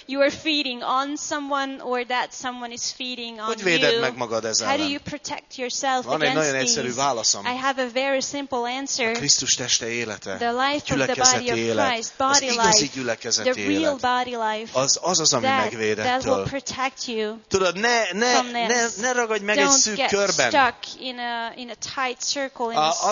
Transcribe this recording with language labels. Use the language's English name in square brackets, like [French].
[English] You are feeding on someone or that someone is feeding on you. [Hungarian] Hogy véded meg magad ezzel? [English] How do you protect yourself these? [Hungarian] Van egy nagyon egyszerű válaszom. [English] I have a very simple answer. [Hungarian] A Krisztus teste élete. [English] The life of the body of Christ, body life. [Hungarian] Az igazi gyülekezeti [English] élet. The real body life. [Hungarian] Az, ami megvéd ettől. [English] That will protect you. [Hungarian] Tudod, ne ragadj meg egy szűk körben. [English] Don't get stuck in a tight circle, in a small